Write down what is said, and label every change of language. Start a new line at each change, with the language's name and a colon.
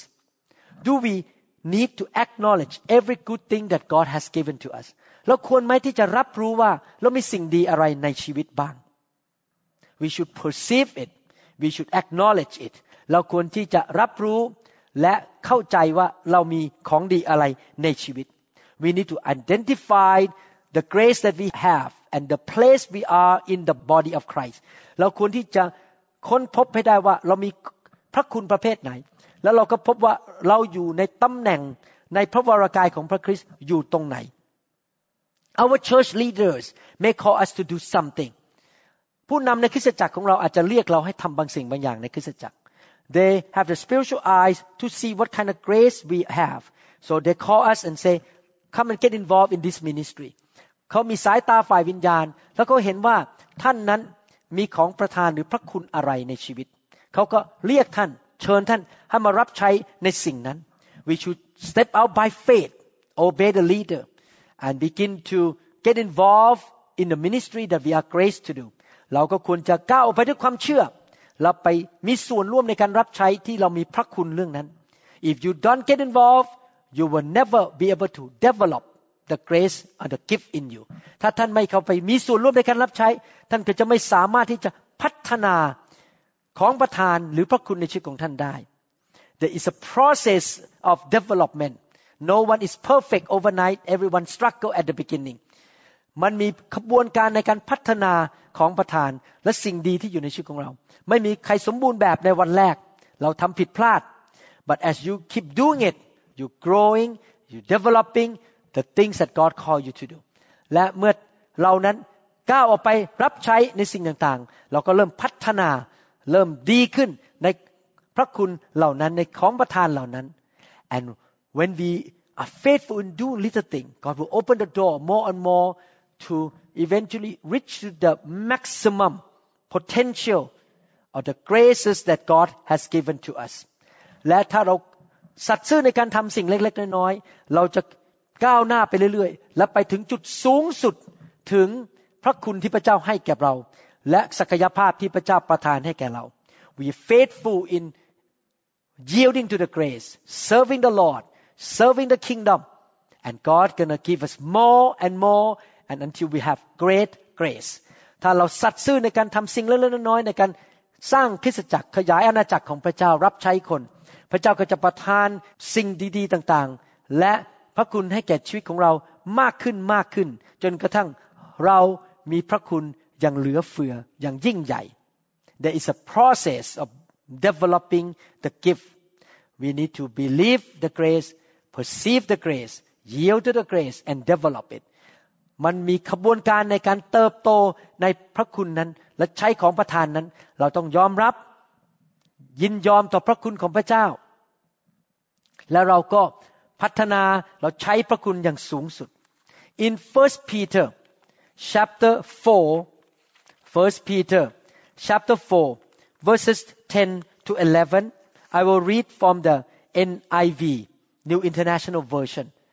English: Do we need to acknowledge every good thing that God has given to us?
Thai: เราควรไหมที่จะรับรู้ว่าเรามีสิ่งดีอะไรในชีวิตบ้าง
English: We should perceive it. We should acknowledge it.
Thai: เราควรที่จะรับรู้และเข้าใจว่าเรามีของดีอะไรในชีวิต
English: We need to identify the grace that we have and the place we are in the body of Christ.
Thai: เราควรที่จะค้นพบให้ได้ว่าเรามีพระคุณประเภทไหนแล้วเราก็พบว่าเราอยู่ในตำแหน่งในพระวรกายของพระคริสต์อยู่ตรงไหน
English: Our church leaders may call us to do something.
Thai: ผู้นำในคริสตจักรของเราอาจจะเรียกเราให้ทำบางสิ่งบางอย่างในคริสตจักร
English: They have the spiritual eyes to see what kind of grace we have. So they call us and say, come and get involved in this ministry.
Thai: เขามีสายตาฝ่ายวิญญาณแล้วก็เห็นว่าท่านนั้นมีของประทานหรือพระคุณอะไรในชีวิตเขาก็เรียกท่านเชิญท่านให้มารับใช้ในสิ่งนั้น
English: We should step out by faith, obey the leader, and begin to get involved in the ministry that we are graced to do.
Thai: เราก็ควรจะก้าวไปด้วยความเชื่อแล้วไปมีส่วนร่วมในการรับใช้ที่เรามีพระคุณเรื่องนั้น
English: If you don't get involved, you will never be able to develop the grace or the gift in you.
Thai: ถ้าท่านไม่เข้าไปมีส่วนร่วมในการรับใช้ท่านก็จะไม่สามารถที่จะพัฒนาของประทานหรือพระคุณในชีวิตของท่านได้
English: There is a process of development. No one is perfect overnight. Everyone struggle at the beginning.
Thai: มันมีขบวนการในการพัฒนาของประทานและสิ่งดีที่อยู่ในชีวิตของเราไม่มีใครสมบูรณ์แบบในวันแรกเราทำผิดพลาด
English: But as you keep doing it, you growing, you developing the things that God call you to do.
Thai: และเมื่อเรานั้นก้าวออกไปรับใช้ในสิ่งต่างๆเราก็เริ่มพัฒนาเริ่มดีขึ้นในพระคุณเหล่านั้นในของประทานเหล่านั้น
English: and when we are faithful in doing little thing God will open the door more and more to eventually reach to the maximum potential of the graces that God has given to us
Thai: และถ้าเราสัตย์ซื่อในการทำสิ่งเล็กๆน้อยๆเราจะก้าวหน้าไปเรื่อยๆและไปถึงจุดสูงสุดถึงพระคุณที่พระเจ้าให้แก่เราและศักยภาพที่พระเจ้าประทานให้แก่เรา
English: We are faithful in yielding to the grace, serving the Lord, serving the kingdom, and God gonna give us more and more, and until we have great grace.
Thai: ถ้าเราสัตย์ซื่อในการทำสิ่งเล็กๆน้อยๆในการสร้างคริสตจักรขยายอาณาจักรของพระเจ้ารับใช้คนพระเจ้าก็จะประทานสิ่งดีๆต่างๆและพระคุณให้แก่ชีวิตของเรามากขึ้นมากขึ้นจนกระทั่งเรามีพระคุณอย่างเหลือเฟืออย่างยิ่งใหญ่
English: There is a process of developing the gift. We need to believe the grace, perceive the grace, yield to the grace, and develop it.
Thai: มันมีขบวนการในการเติบโตในพระคุณนั้นและใช้ของประทานนั้นเราต้องยอมรับยินยอมต่อพระคุณของพระเจ้าแล้วเราก็พัฒนาเราใช้พระคุณอย่างสูงสุด
English: In 1 Peter chapter 41 Peter chapter 4 verses 10 to 11 I will read from the NIV New International Version